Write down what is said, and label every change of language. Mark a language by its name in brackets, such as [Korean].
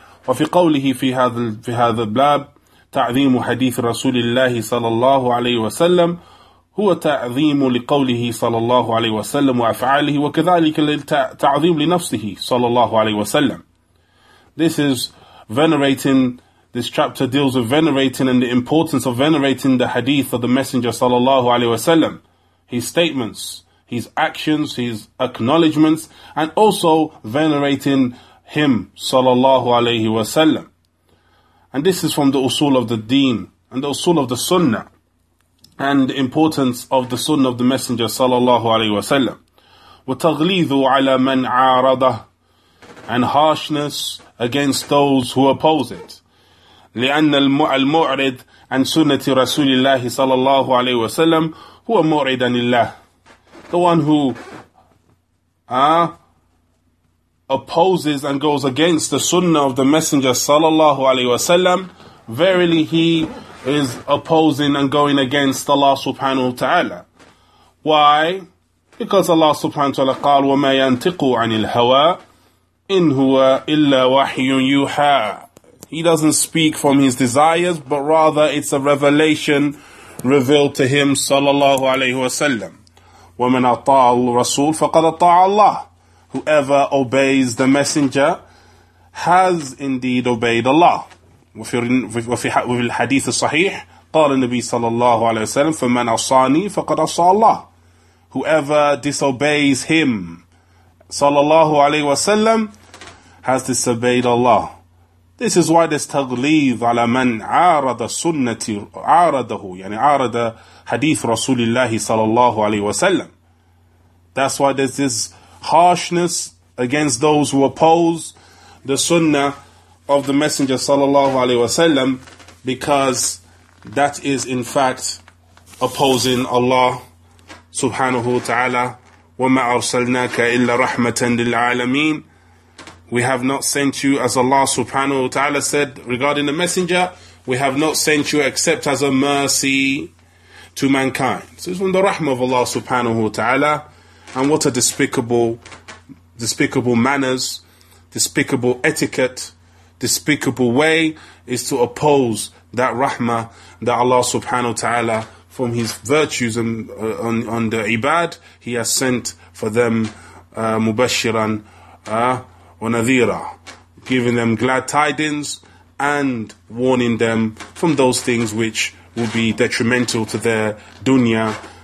[Arabic] وفي قوله في هذا الباب: تعظيم حديث رسول الله صلى الله عليه وسلم هو تعظيم لقوله صلى الله عليه وسلم وأفعاله وكذلك تعظيم لنفسه صلى الله عليه وسلم. [English] This is venerating. This chapter deals with venerating and the importance of venerating the hadith of the Messenger sallallahu alaihi wasallam, his statements, his actions, his acknowledgments, and also venerating him sallallahu alaihi wasallam. And this is from the usul of the deen and the usul of the sunnah and the importance of the sunnah of the Messenger sallallahu alaihi wasallam. [Arabic] وَتَغْلِيذُ عَلَى مَنْ عَارَضَهُ, [English] and harshness against those who oppose it. [Arabic] لأن المعرض عن سنة رسول الله صلى الله عليه وسلم هو معرض عن الله. [English] The one who opposes and goes against the sunnah of the Messenger صلى الله عليه وسلم, verily he is opposing and going against Allah subhanahu wa ta'ala. Why? [Arabic] Because Allah subhanahu wa ta'ala قال: وما ينطق عن الهوى إن هو إلا وحي يوحى. [English] He doesn't speak from his desires, but rather it's a revelation revealed to him, sallallahu alayhi wa sallam. [Arabic] وَمَنْ أَطَاعَ الرَّسُولَ فَقَدْ أَطَاعَ اللَّهِ. [English] Whoever obeys the Messenger has indeed obeyed Allah. [Arabic] وَفِي الْحَدِيثِ الصَّحِيحِ قَالَ النَّبِيُّ sallallahu alayhi wa sallam: فَمَنْ أَصَانِي فَقَدْ أَصَى اللَّهِ. [English] Whoever disobeys him, sallallahu alayhi wa sallam, has disobeyed Allah. This is why this [Arabic] تغليظ على من عارض سنة عارضه, يعني عارض حديث رسول الله صلى الله عليه وسلم. [English] That's why there's this harshness against those who oppose the sunnah of the Messenger صلى الله عليه وسلم, because that is in fact opposing Allah سبحانه وتعالى. [Arabic] وما أرسلناك إلا رحمة للعالمين. [English] We have not sent you, as Allah subhanahu wa ta'ala said regarding the Messenger, we have not sent you except as a mercy to mankind. So it's from the rahmah of Allah subhanahu wa ta'ala. And what a despicable manners, despicable etiquette, despicable way is to oppose that rahmah that Allah subhanahu wa ta'ala, from his virtues and on the ibad, he has sent for them mubashiran, ونذيرًا, giving them glad tidings and warning them from those things which will be detrimental to their dunya,